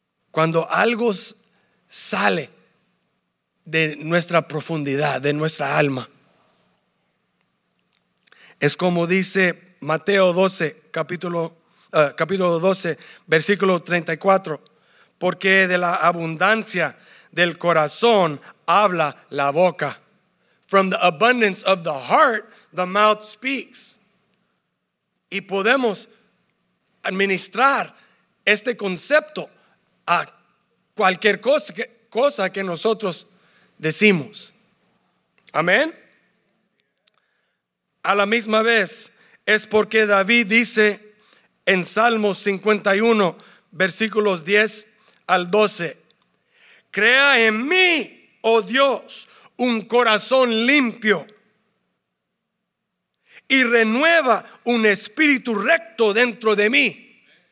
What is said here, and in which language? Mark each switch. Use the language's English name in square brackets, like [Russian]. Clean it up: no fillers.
[Spanish] Cuando algo sale de nuestra profundidad, de nuestra alma, es como dice Mateo 12, capítulo 12, versículo 34, porque de la abundancia del corazón habla la boca. [English] From the abundance of the heart, the mouth speaks. [Spanish] Y podemos administrar este concepto a cualquier cosa que nosotros decimos. Amén. A la misma vez, es porque David dice en Salmos 51, versículos 10 al 12: crea en mí, oh Dios, un corazón limpio y renueva un espíritu recto dentro de mí.